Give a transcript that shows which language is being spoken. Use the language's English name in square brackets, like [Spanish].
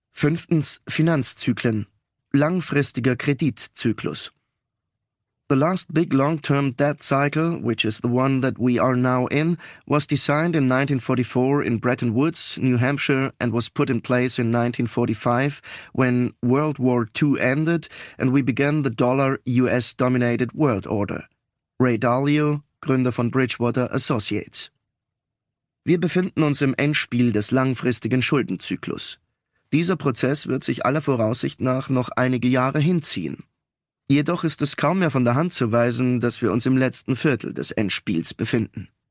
[German] Fünftens, Finanzzyklen. Langfristiger Kreditzyklus. [English] The last big long-term debt cycle, which is the one that we are now in, was designed in 1944 in Bretton Woods, New Hampshire, and was put in place in 1945 when World War II ended and we began the dollar-US-dominated world order. [German] Ray Dalio, Gründer von Bridgewater Associates. Wir befinden uns im Endspiel des langfristigen Schuldenzyklus. Dieser Prozess wird sich aller Voraussicht nach noch einige Jahre hinziehen. Jedoch ist es kaum mehr von der Hand zu weisen, dass wir uns im letzten Viertel des Endspiels befinden.